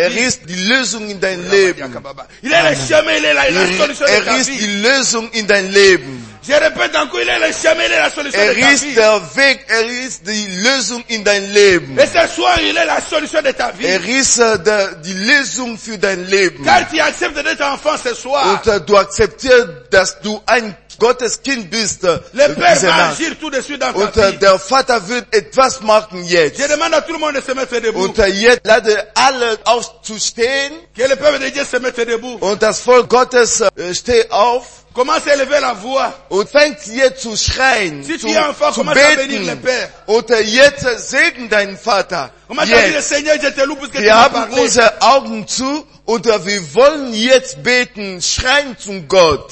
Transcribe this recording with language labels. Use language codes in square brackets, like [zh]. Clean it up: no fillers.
[de] Er ist die Lösung in deinem Leben. [fr] Il est le chemin, il est la solution de ta vie. [de] Er ist die Lösung in deinem Leben. [fr] Je répète encore, il est le chemin, il est la solution [de] er [fr] de ta vie. [de] Der Weg, er ist die Lösung in dein Leben. [fr] Et ce soir, il est la solution de ta vie. [de] Er ist die Lösung für dein Leben. [fr] Car tu acceptes d'être enfant ce soir. [de] Und du acceptes, dass du ein Gottes Kind bist. [fr] Le Père va agir tout de suite dans ta [de] Und [fr] vie. [de] Und der Vater wird etwas machen jetzt. [fr] Je demande à tout le monde de se mettre debout. [de] Und jetzt lade alle aufzustehen. [fr] Que le peuple de Dieu se mette debout. [de] Und das Volk Gottes steh auf. [fr] Commence à élever la voix. [de] Und fängt jetzt zu schreien. [fr] Si [de] zu, [fr] tu es enfant, commence à bénir le Père. [de] Und jetzt segne deinen Vater. [fr] Commence à dire Seigneur, je te loue parce que tu m'as parlé. [de] Und wir wollen jetzt beten, schreien zu Gott.